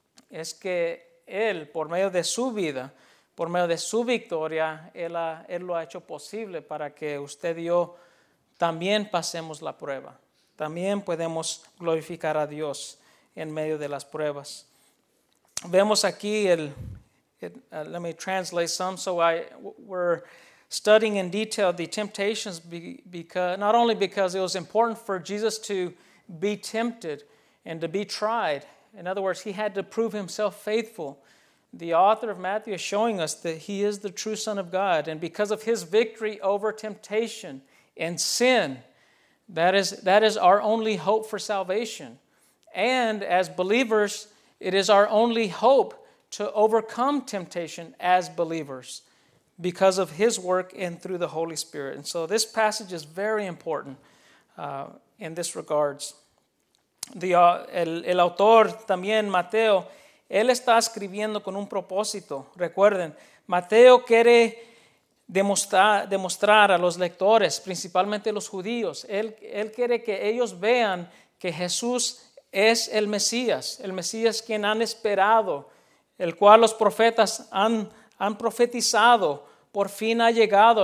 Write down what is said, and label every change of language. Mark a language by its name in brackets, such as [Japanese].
[Spanish] es que Él, por medio de su vida, por medio de su victoria, él lo ha hecho posible para que usted y yo también pasemos la prueba. También podemos glorificar a Dios en medio de las pruebas. Vemos aquí [English] let me translate some. So we're studying in detail the temptations not only because it was important for Jesus to be tempted and to be tried. In other words, he had to prove himself faithful. The author of Matthew is showing us that he is the true Son of God. And because of his victory over temptation and sin, that is our only hope for salvation. And as believers, it is our only hope to overcome temptation as believers because of his work and through the Holy Spirit. And so this passage is very important in this regards. [Spanish] El autor también, Mateo, él está escribiendo con un propósito. Recuerden, Mateo quiere demostrar a los lectores, principalmente los judíos, él quiere que ellos vean que Jesús es el Mesías quien han esperado, el cual los profetas han profetizado, por fin ha llegado.